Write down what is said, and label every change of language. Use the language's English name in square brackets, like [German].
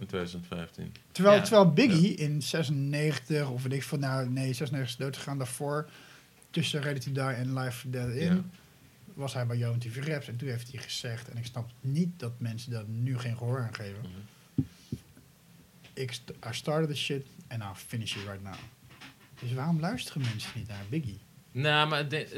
[Dutch] In 2015. Terwijl Biggie in 96, of weet ik van, 96 is dood gegaan daarvoor, tussen Ready to Die en Life or Death In, was hij bij Young TV Raps. En toen heeft hij gezegd, en ik snap niet dat mensen daar nu geen gehoor aan geven. Mm-hmm. [English] I started the shit and I'll finish it right now. [Dutch] Dus waarom luisteren mensen niet naar Biggie?